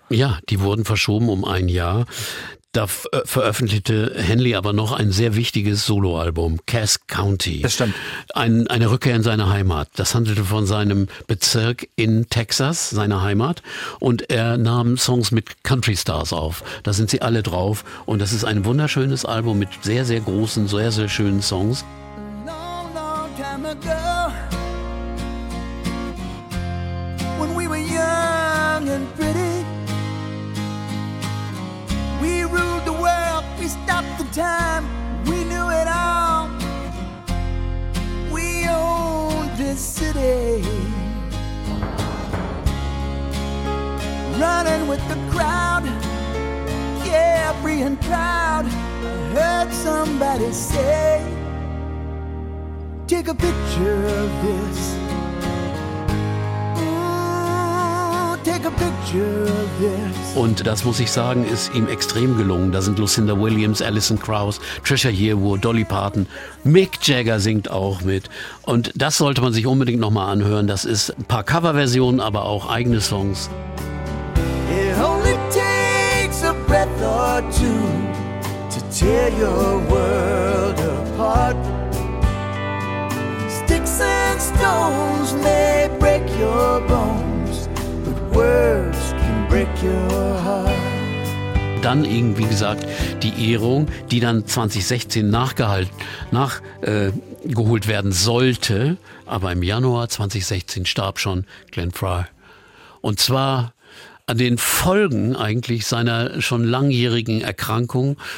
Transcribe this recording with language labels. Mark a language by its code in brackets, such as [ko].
[de] Ja, die wurden verschoben um ein Jahr. Da veröffentlichte Henley aber noch ein sehr wichtiges Soloalbum, Cass County. Das stimmt. Eine Rückkehr in seine Heimat. Das handelte von seinem Bezirk in Texas, seiner Heimat. Und er nahm Songs mit Country Stars auf. Da sind sie alle drauf. Und das ist ein wunderschönes Album mit sehr, sehr großen, sehr, sehr schönen Songs. [en] Long, long time ago, when we were young and pretty, we ruled the world, we stopped the time, we knew it all. We owned this city, running with the crowd, yeah, free and proud. I heard somebody say, take a picture of this. Ooh, take a a picture of this. [de] Und das muss ich sagen, ist ihm extrem gelungen. Da sind Lucinda Williams, Alison Krauss, Trisha Yearwood, Dolly Parton, Mick Jagger singt auch mit. Und das sollte man sich unbedingt nochmal anhören. Das ist ein paar Coverversionen, aber auch eigene Songs. [en] It only takes a breath or two to tear your world apart. Sticks and stones may break your bones, but words can break your heart. [de] Dann irgendwie, wie gesagt, die Ehrung, die dann 2016 nachgeholt werden sollte. Aber im Januar 2016 starb schon Glenn Frey. Und zwar an den Folgen eigentlich seiner schon langjährigen Erkrankung.